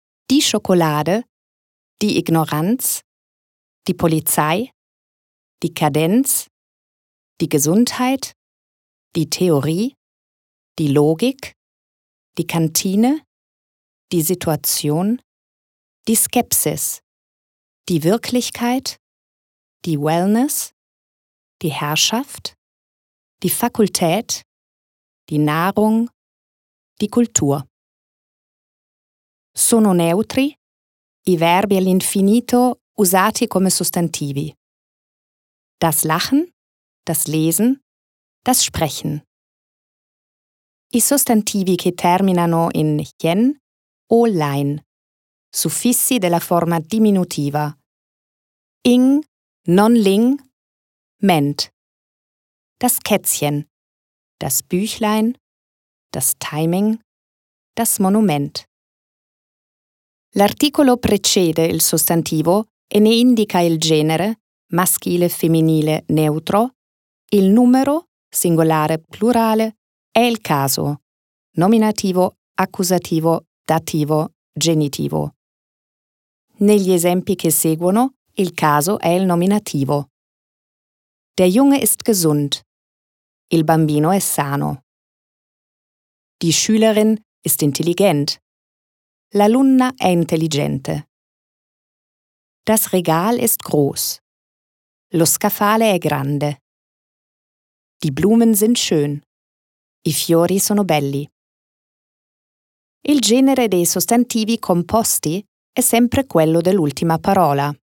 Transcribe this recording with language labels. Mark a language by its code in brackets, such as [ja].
[de] Die Schokolade, die Ignoranz, die Polizei, die Kadenz, die Gesundheit, die Theorie, die Logik, die Kantine, die Situation, die Skepsis, die Wirklichkeit, die Wellness, die Herrschaft, die Fakultät, die Nahrung, die Kultur. [it] Sono neutri i verbi all'infinito usati come sostantivi. [de] Das Lachen, das Lesen, das Sprechen. [it] I sostantivi che terminano in chen o lein, suffissi della forma diminutiva. [de] Ing, non ling, ment. Das Kätzchen, das Büchlein, das Timing, das Monument. [it] L'articolo precede il sostantivo e ne indica il genere, maschile, femminile, neutro, il numero, singolare, plurale, e il caso, nominativo, accusativo, dativo, genitivo. Negli esempi che seguono, il caso è il nominativo. [de] Der Junge ist gesund. [it] Il bambino è sano. [de] Die Schülerin ist intelligent. [it] L'alunna è intelligente. [de] Das Regal ist groß. [it] Lo scaffale è grande. [de] Die Blumen sind schön. [it] I fiori sono belli. Il genere dei sostantivi composti è sempre quello dell'ultima parola.